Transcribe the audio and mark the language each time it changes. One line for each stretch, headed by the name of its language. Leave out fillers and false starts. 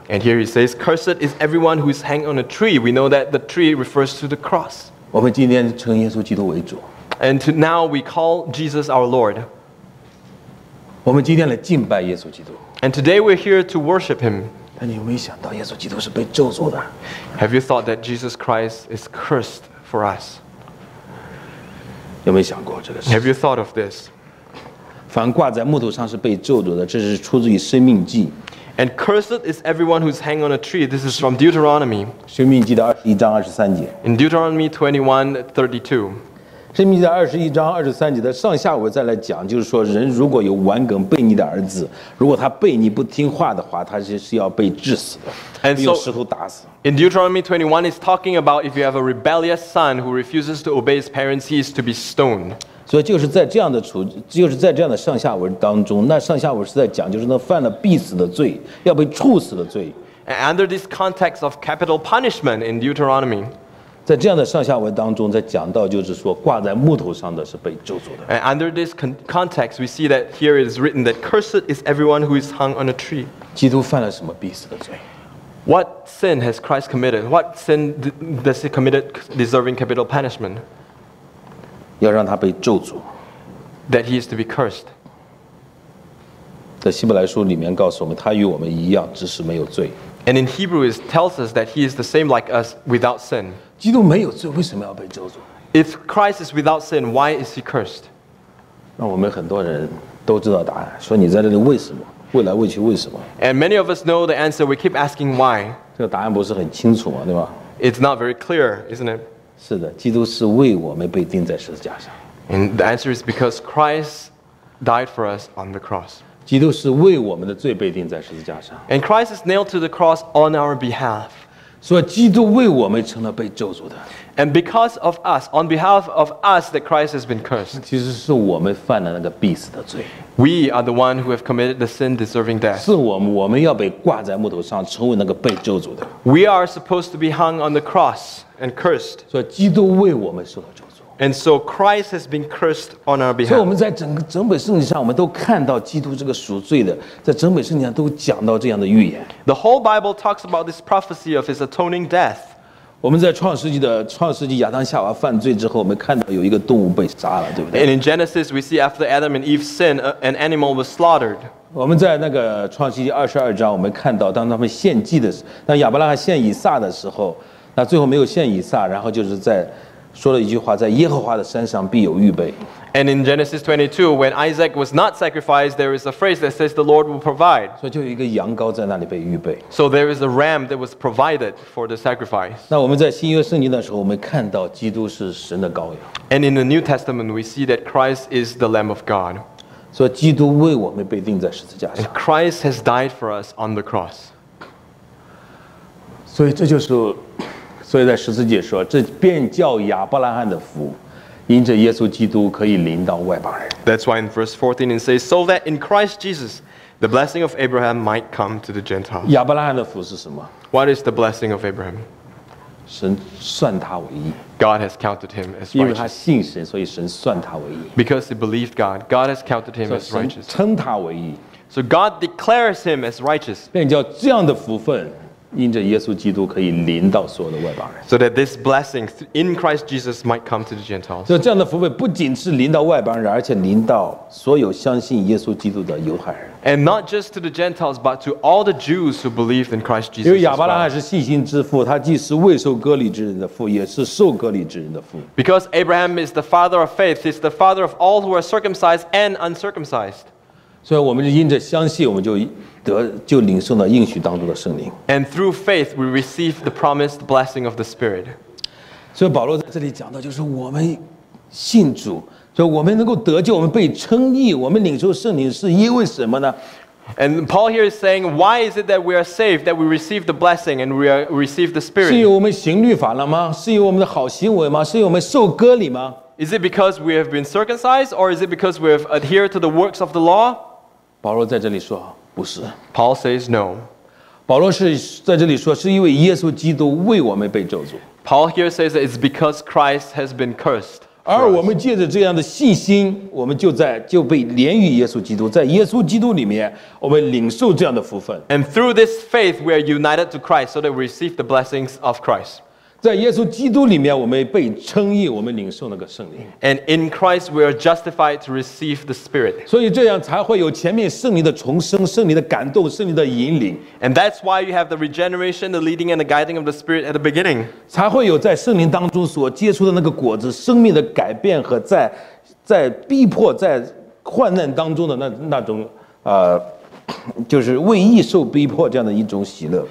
English: And here he says, "Cursed is everyone who is hanged on a tree." We know that the tree refers to the cross.
Chinese: 我们今天称耶稣基督为主。
English: And now we call Jesus our Lord.
Chinese: 我们今天来敬拜耶稣基督。
English: And today we're here to worship him.
Chinese: 但你有没有想到，耶稣基督是被咒诅的
English: ？Have you thought that Jesus Christ is cursed for us?
Chinese: 有没有想过这个事？
English: Have you thought of this?
Chinese: 凡挂在木头上是被咒诅的，这是出自于《生命记》。
English: And cursed is everyone who's hanging on a tree. This is from Deuteronomy.
Chinese: 生命记的21章23节。
English: In Deuteronomy 21:32.
Chinese: 生命记的21章23节的上下文再来讲，就是说，人如果有顽梗悖逆的儿子，如果他悖逆不听话的话，他是要被治死的。
English: And so,
Chinese: 用石头打死。
English: In Deuteronomy 21, it's talking about if you have a rebellious son who refuses to obey his parents, he is to be stoned.
Chinese: 所以就是在这样的上下文当中，那上下文是在讲，就是那犯了必死的罪，要被处死的罪。
English: And under this context of capital punishment in Deuteronomy,
Chinese: 在这样的上下文当中，在讲到就是说，挂在木头上的是被咒诅的。
English: And under this context, we see that here it is written that cursed is everyone who is hung on a tree.
Chinese: 基督犯了什么必死的罪？
English: What sin has Christ committed? What sin does he commit deserving capital punishment?
Chinese: 要让他被咒诅。
English: That he is to be cursed.
Chinese: 在希伯来书里面告诉我们，他与我们一样，只是没有罪。
English: And in Hebrew it tells us that he is the same like us without sin.
Chinese: 基督没有罪，为什么要被咒诅？
English: If Christ is without sin, why is he cursed?
Chinese: 让我们很多人都知道答案，说你在这里为什么？未来未去为什么？
English: And many of us know the answer. We keep asking why.
Chinese: 这个答案不是很清楚吗？对吧？
English: It's not very clear, isn't it?
Chinese: 是的，基督是为我们被钉在十字架上。
English: And the answer is because Christ died for us on the cross.
Chinese: 基督是为我们的罪被钉在十字架上。
English: And Christ is nailed to the cross on our behalf.
Chinese: 所以基督为我们成了被咒诅的。
English: And because of us, on behalf of us, that Christ has been cursed.
Chinese: 其实是我们犯了那个必死的罪。
English: We are the one who have committed the sin deserving death.
Chinese: 是我们要被挂在木头上，成为那个被咒诅的。
English: We are supposed to be hung on the cross and cursed.
Chinese: 所以基督为我们受了咒诅。
English: And so Christ has been cursed on our behalf.
Chinese: 所以我们在整本圣经上，我们都看到基督这个赎罪的，在整本圣经上都讲到这样的预言。
English: The whole Bible talks about this prophecy of his atoning death.
Chinese: 我们在创世纪的创世纪亚当夏娃犯罪之后，我们看到有一个动物被杀了，对不对
English: ？And in Genesis, we see after Adam and Eve sin, an animal was slaughtered.
Chinese: 我们在那个创世纪二十二章，我们看到当他们献祭的时候，当亚伯拉罕献以撒的时候，那最后没有献以撒，然后就是在说了一句话，在耶和华的山上必有预备。
English: And in Genesis 22, when Isaac was not sacrificed, there is a phrase that says the Lord will provide.
Chinese: 所以就有一个羊羔在那里被预备。
English: So there is a ram that was provided for the sacrifice.
Chinese: 那我们在新约圣经的时候，我们看到基督是神的羔羊。
English: And in the New Testament, we see that Christ is the Lamb of God.
Chinese: 所以基督为我们被钉在十字架上。
English: And Christ has died for us on the cross.
Chinese: 所以这就是，所以在十字节说，这便叫亚伯拉罕的福。因着耶稣基督可以临到外邦人。
English: That's why in verse 14 it says, so that in Christ Jesus, the blessing of Abraham might come to the Gentiles.
Chinese: 亚伯拉罕的福是什么？
English: What is the blessing of Abraham?
Chinese: 神算他为义。
English: God has counted him as righteous.
Chinese: 因为他信神，所以神算他为义。
English: Because he believed God, God has counted him as righteous.
Chinese: 神称他为义。
English: So God declares him as righteous.
Chinese: 便叫这样的福分。因着耶稣基督可以临到所有的外邦人
English: ，so that this blessing in Christ Jesus might come to the Gentiles。
Chinese: 就这样的福分不仅是临到外邦人，而且临到所有相信耶稣基督的犹太人。
English: And not just to the Gentiles, but to all the Jews who believed in Christ Jesus.
Chinese: 因为亚伯拉罕是信心之父，他既是未受割礼之人的父，也是受割礼之人的父。
English: Because Abraham is the father of faith, he's the father of all who are circumcised and uncircumcised.
Chinese: 所以我们就因着相信，我们就。就领受了应许当中的圣灵。
English: And through faith, we receive the promised blessing of the Spirit.
Chinese: 所以保罗在这里讲的就是我们信主，所以我们能够得救，我们被称义，我们领受圣灵是因为什么呢？
English: And Paul here is saying, why is it that we are saved, that we receive the blessing and receive the Spirit?
Chinese: 是因为我们行律法了吗？是因为我们的好行为吗？是因为我们受割礼吗？
English: Is it because we have been circumcised, or is it because we have adhered to the works of the law?
Chinese: 保罗在这里说。
English: Paul says no.
Chinese: 保罗是在这里说，是因为耶稣基督为我们被咒诅。
English: Paul here says that it's because Christ has been cursed.
Chinese: 而我们借着这样的信心，我们就被连与耶稣基督，在耶稣基督里面，我们领受这样的福分。
English: And through this faith, we are united to Christ, so that we receive the blessings of Christ.
Chinese: 在耶稣基督里面，我们被称义，我们领受那个圣灵。
English: And in Christ we are justified to receive the Spirit.
Chinese: 所以这样才会有前面圣灵的重生、圣灵的感动、圣灵的引领。
English: And that's why you have the regeneration, the leading, and the guiding of the Spirit at the beginning.
Chinese: 才会有在圣灵当中所结出的那个果子，生命的改变和在逼迫、在患难当中的那种就是为义受逼迫这样的一种喜乐。